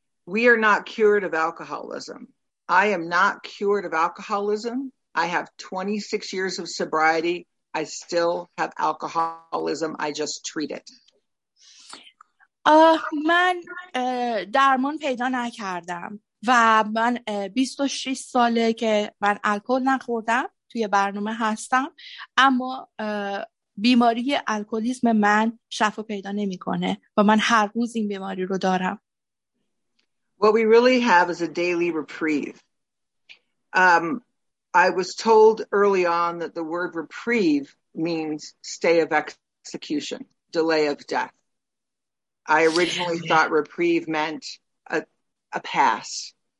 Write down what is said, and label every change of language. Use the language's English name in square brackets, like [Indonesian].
[English] We are not cured of alcoholism. I am not cured of alcoholism. I have 26 years of sobriety. I still have alcoholism. I just treat it. [Persian] من درمان پیدا نکردم و من 26 ساله که من الکل نخوردم توی برنامه هستم اما بیماری الکلیسم من شفا پیدا نمی‌کنه و من هر روز این بیماری رو دارم. [English] What we really have is a daily reprieve. I was told early on that the word reprieve means stay of execution, delay of death. I originally thought reprieve meant a pass.